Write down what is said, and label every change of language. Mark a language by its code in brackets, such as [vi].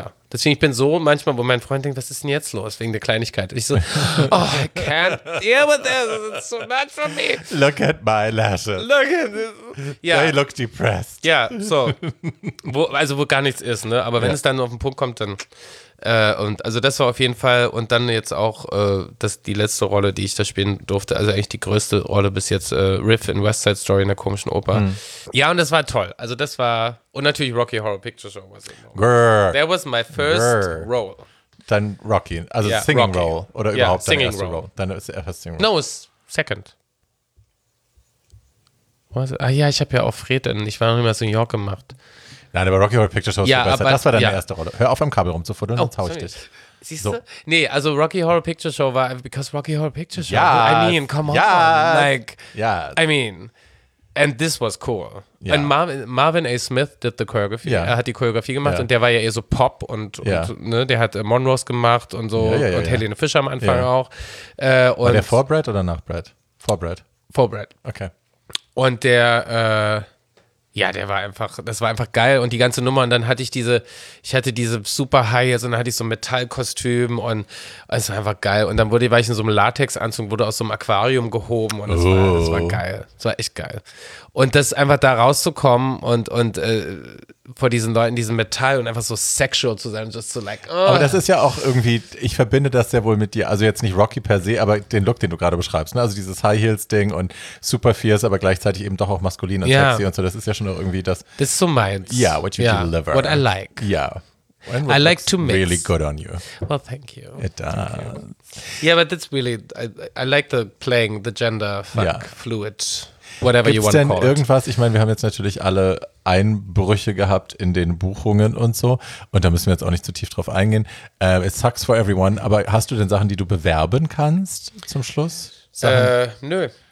[de] Deswegen, ich bin so manchmal, wo mein Freund denkt, was ist denn jetzt los? Wegen der Kleinigkeit. Ich so, oh, [en] I can't deal with this. It's so bad for me. Look at my lashes. Look at this. Yeah. They look depressed. [de] Ja, so. Wo gar nichts ist, ne? Aber wenn es dann auf den Punkt kommt, dann und also das war auf jeden Fall und dann jetzt auch das die letzte Rolle, die ich da spielen durfte, also eigentlich die größte Rolle bis jetzt, Riff in West Side Story in der komischen Oper. Mm. Ja, und das war toll. Also das war, und natürlich Rocky Horror Picture Show was [en] it. That was my first role. [de] Dein Rocky, also Singing Rocky. Role oder überhaupt [en] Singing [de] deine erste [en] role. [de] Deine erste Singing Role. [en] No, it's second. [de] Was? Ah ja, ich habe ja auch Fred in, ich war noch immer in New York gemacht. Nein, aber Rocky Horror Picture Show das war deine erste Rolle. Hör auf, am Kabel rumzufuddeln, sonst hau ich dich. Siehst du? Nee, also Rocky Horror Picture Show war, [en] because Rocky Horror Picture Show, come on. Yes. I mean, and this was cool. [de] Ja. [en] And Marvin A. Smith did the choreography. [de] Ja. Er hat die Choreografie gemacht und der war ja eher so Pop und ne, der hat Monroes gemacht und so Helene Fischer am Anfang auch. Und war der vor Brad oder nach Brad? Vor Brad. Vor Brad. Okay. Und der, Ja, der war einfach, das war einfach geil und die ganze Nummer und dann hatte ich diese, ich hatte diese super High und dann hatte ich so ein Metallkostüm und es war einfach geil und dann wurde, war ich in so einem Latexanzug, wurde aus so einem Aquarium gehoben und das war geil, das war echt geil. Und das einfach da rauszukommen und vor diesen Leuten, diesem Metall und einfach so sexual zu sein, [en] just so like. [de] Aber das ist ja auch irgendwie, ich verbinde das sehr wohl mit dir, also jetzt nicht Rocky per se, aber den Look, den du gerade beschreibst, ne? Also dieses High Heels Ding und super fierce, aber gleichzeitig eben doch auch maskulin und sexy und so, das ist ja schon auch irgendwie das. Das ist so meins. [en] Yeah, what you deliver. What I like. Yeah. I like to mix. Really good on you. Well, thank you. It does. Yeah, but that's really, I like the playing, the gender fuck fluid. Whatever [de] gibt's [en] you want to call [de] denn irgendwas? Ich meine, wir haben jetzt natürlich alle Einbrüche gehabt in den Buchungen und so. Und da müssen wir jetzt auch nicht zu tief drauf eingehen. [en] It sucks for everyone. [de] Aber hast du denn Sachen, die du bewerben kannst zum Schluss? Nö.